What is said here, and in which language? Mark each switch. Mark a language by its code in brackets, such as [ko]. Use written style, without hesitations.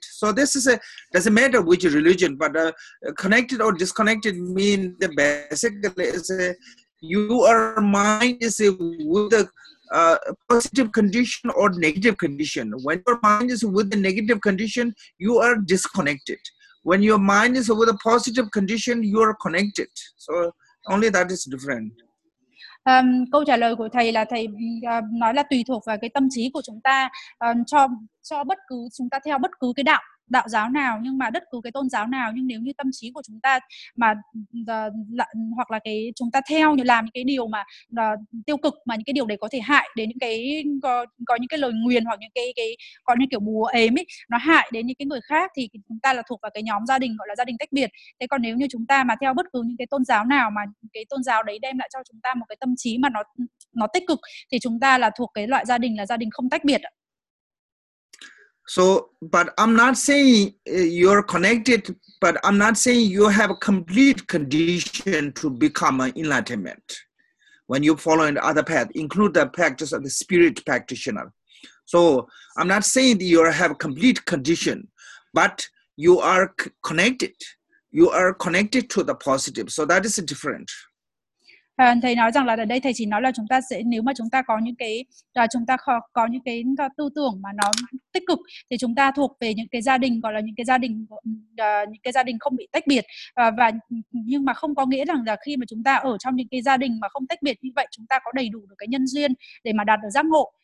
[en] So this is a, doesn't matter which religion, but connected or disconnected mean the basically is a, your mind is a, with the positive condition or negative condition. When your mind is with the negative condition, you are disconnected. When your mind is with a positive condition, you are connected. So only that is different. [vi] Câu trả lời của thầy là thầy nói là tùy thuộc vào cái tâm trí của chúng ta, cho bất cứ chúng ta theo bất cứ cái đạo giáo nào, nhưng mà bất cứ cái tôn giáo nào, nhưng nếu như tâm trí của chúng ta mà hoặc là cái chúng ta theo làm những cái điều mà tiêu cực, mà những cái điều đấy có thể hại đến những cái có những cái lời nguyền hoặc những cái có những kiểu bùa ếm ấy, nó hại đến những cái người khác, thì chúng ta là thuộc vào cái nhóm gia đình gọi là gia đình tách biệt. Thế còn nếu như chúng ta mà theo bất cứ những cái tôn giáo nào mà cái tôn giáo đấy đem lại cho chúng ta một cái tâm trí mà nó tích cực, thì chúng ta là thuộc cái loại gia đình là gia đình không tách biệt. [en] So, but I'm not saying you're connected, but I'm not saying you have a complete condition to become an enlightenment when you follow in other path, include the practice of the spirit practitioner. So I'm not saying that you have a complete condition, but you are connected. You are connected to the positive. So that is different. [vi] Thầy nói rằng là ở đây thầy chỉ nói là chúng ta sẽ, nếu mà chúng ta có những cái chúng ta có những cái tư tưởng mà nó tích cực, thì chúng ta thuộc về những cái gia đình gọi là những cái gia đình không bị tách biệt, và nhưng mà không có nghĩa rằng là khi mà chúng ta ở trong những cái gia đình mà không tách biệt như vậy, chúng ta có đầy đủ được cái nhân duyên để mà đạt được giác ngộ.